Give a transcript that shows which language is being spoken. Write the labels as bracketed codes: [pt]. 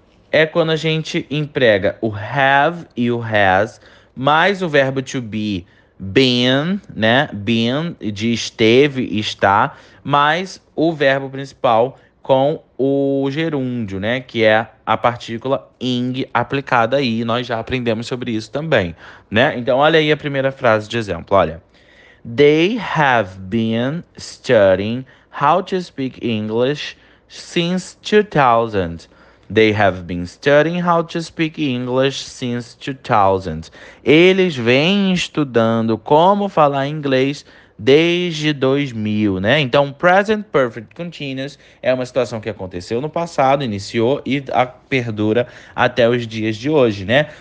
[pt] É quando a gente emprega o have e o has mais o verbo to be, been, né? Been, de esteve, está, mais o verbo principal com o gerúndio, né? Que é a partícula ing aplicada aí. Nós já aprendemos sobre isso também, né? Então, olha aí a primeira frase de exemplo, olha. [en] They have been studying how to speak English since 2000. They have been studying how to speak English since 2000. [pt] Eles vêm estudando como falar inglês desde 2000, né? Então, present perfect continuous é uma situação que aconteceu no passado, iniciou e perdura até os dias de hoje, né?